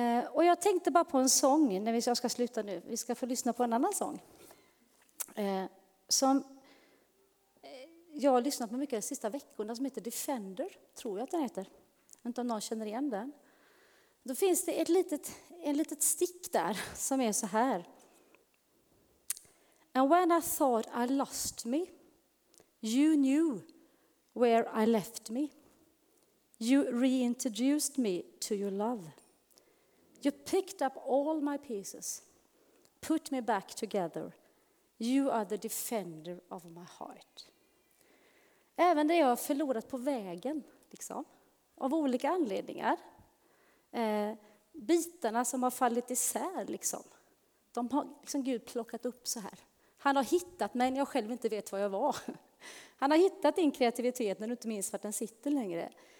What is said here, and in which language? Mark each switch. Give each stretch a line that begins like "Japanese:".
Swedish: Och jag tänkte bara på en sång när vi ska sluta nu. Vi ska få lyssna på en annan sång. Som jag har lyssnat på mycket de sista veckorna, som heter Defender, tror jag att den heter. Inte om någon känner igen den. Då finns det ett litet stick där som är så här.
English: And when I thought I lost me, you knew where I left me. You reintroduced me to your love. You picked up all my pieces, put me back together. You are the defender of my heart.
Swedish: Även det jag har förlorat på vägen, liksom. Av olika anledningar. Bitarna som har fallit isär liksom. De har liksom Gud plockat upp så här. Han har hittat mig när jag själv inte vet vad jag var. Han har hittat din kreativitet när du inte minns vart den sitter längre.